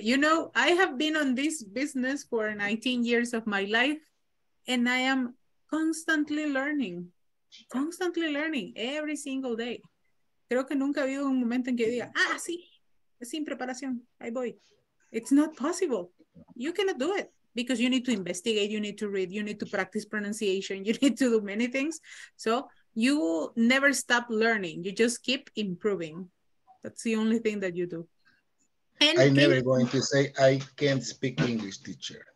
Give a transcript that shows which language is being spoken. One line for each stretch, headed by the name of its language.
English: You know, I have been on this business for 19 years of my life, and I am constantly learning every single day.
Spanish: Creo que nunca ha habido un momento en que diga, ah, sí, sin preparación, ahí voy.
English: It's not possible. You cannot do it because you need to investigate, you need to read, you need to practice pronunciation, you need to do many things. So you never stop learning. You just keep improving. That's the only thing that you do. And I'm never going to say, I can't speak English, teacher.